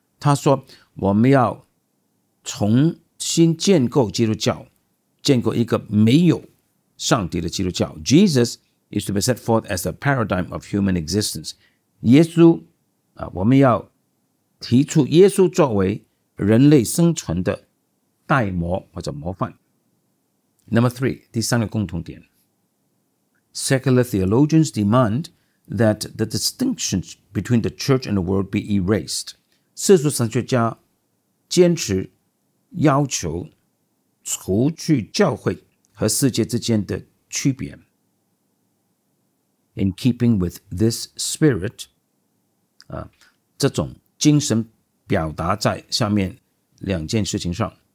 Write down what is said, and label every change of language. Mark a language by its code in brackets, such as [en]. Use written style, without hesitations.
[zh] 他说我们要重新建构基督教，建构一个没有上帝的基督教。 [en] Jesus is to be set forth as a paradigm of human existence. [zh] 耶稣，我们要提出耶稣作为人类生存的代模或者模范。 [en] Number three, [zh] 第三个共同点。 [en] Secular theologians demand that the distinctions between the church and the world be erased. [zh] 世俗神学家坚持要求除去教会和世界之间的区别。 [en] In keeping with this spirit, [zh] 这种精神表达在下面两件事情上。